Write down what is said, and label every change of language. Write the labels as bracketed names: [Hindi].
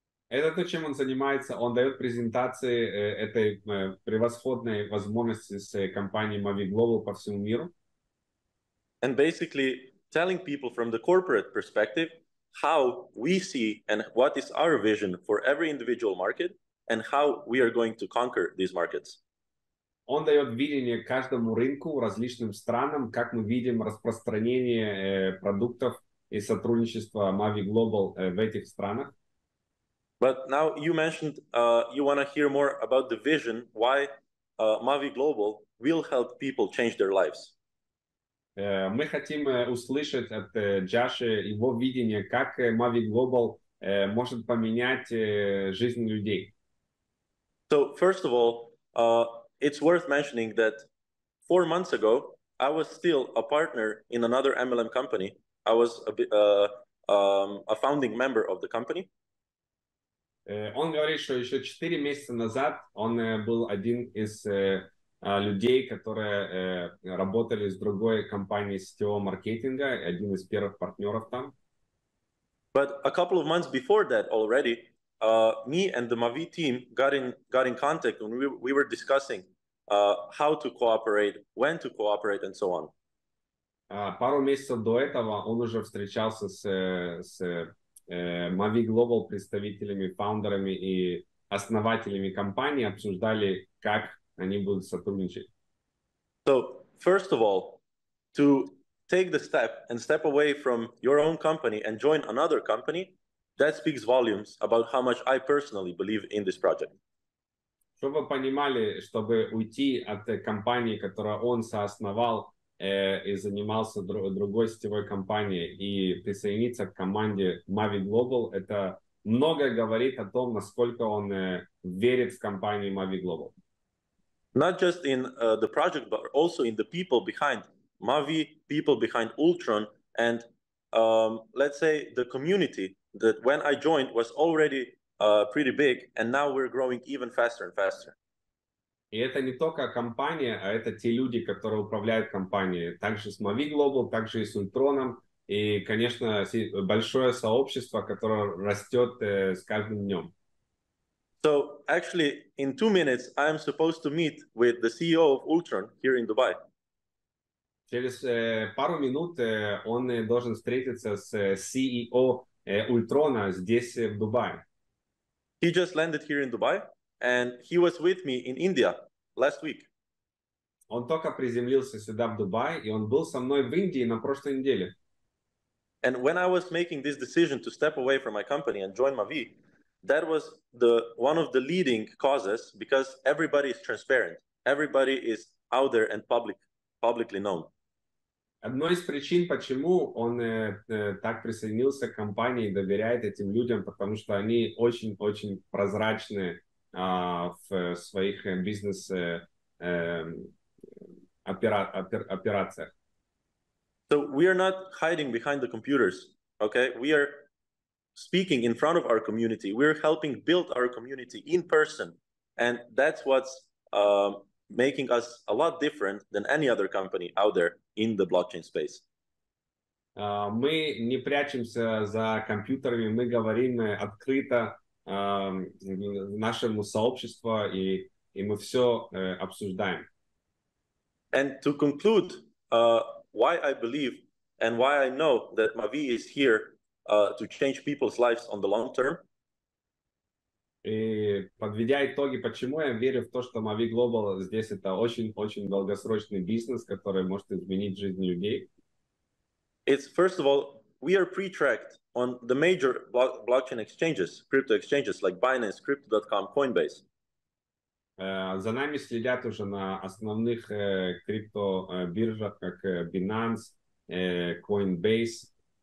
[Russian] Это то, чем он занимается. Он дает презентации этой превосходной возможности с компанией Mavie Global по всему миру. [English] And basically telling people from the corporate perspective how we see and what is our vision for every individual market and how we are going to conquer these markets. [Russian] Он дает видение каждому рынку, различным странам, как мы видим распространение продуктов и сотрудничество Mavie Global в этих странах. [English] But now you mentioned you want to hear more about the vision, why Mavie Global will help people change their lives. [Russian] Мы хотим услышать от Джаши его видение, как Mavie Global может поменять жизнь людей. [English] So, first of all, it's worth mentioning that 4 months ago, I was still a partner in another MLM company. I was a founding member of the company. [Russian] Он говорит, что еще 4 месяца назад он был один из людей, которые работали с другой компанией сетевого маркетинга, один из первых партнеров там. [English] But a couple of months before that already, me and the Mavie team got in contact when we were discussing how to cooperate, when to cooperate, and so on. [Russian] Пару месяцев до этого он уже встречался с Mavie Global представителями, фаундерами и основателями компании, обсуждали, как они будут сотрудничать. [English] So, first of all, to take the step and step away from your own company and join another company, that speaks volumes about how much I personally believe in this project. [Russian] Чтобы вы понимали, чтобы уйти от компании, которую он сооснавал, и занимался другой сетевой компанией, и присоединиться к команде Mavie Global, это многое говорит о том, насколько он верит в компанию Mavie Global. [English] not just in the project, but also in the people behind Mavie, people behind Ultron, and let's say the community that when I joined was already pretty big, and now we're growing even faster and faster. [Russian] И это не только компания, а это те люди, которые управляют компанией. Также с Mavie Global, также и с Ультроном. И, конечно, большое сообщество, которое растет с каждым днем. [English] So, actually, in 2 minutes, I am supposed to meet with the CEO of Ultron here in Dubai. [Russian] Через пару минут он должен встретиться с CEO Ультрона здесь, в Дубае. [English] He just landed here in Dubai. And he was with me in India last week. [Russian] Он только приземлился сюда в Дубай, и он был со мной в Индии на прошлой неделе. [English] And when I was making this decision to step away from my company and join Mavie, that was the one of the leading causes because everybody is transparent. Everybody is out there and publicly known. [Russian] Одной из причин, почему он так присоединился к компании и доверяет этим людям, потому что они очень-очень прозрачные. В своих бизнес операциях. [English] So we are not hiding behind the computers, okay? We are speaking in front of our community. We are helping build our community in person, and that's what's making us a lot different than any other company out there in the blockchain space. [Russian] Мы не прячемся за компьютерами, мы говорим открыто. Нашему сообществу и мы все обсуждаем. [English] And to conclude, why I believe and why I know that Mavie is here to change people's lives on the long term. [Russian] И подведя итоги, почему я верю в то, что Mavie Global здесь это очень-очень долгосрочный бизнес, который может изменить жизнь людей. [English] It's first of all, we are pre-tracked on the major blockchain exchanges, crypto exchanges like Binance, crypto.com, Coinbase. [Russian] За нами следят уже на основных крипто биржах, как Binance, Coinbase.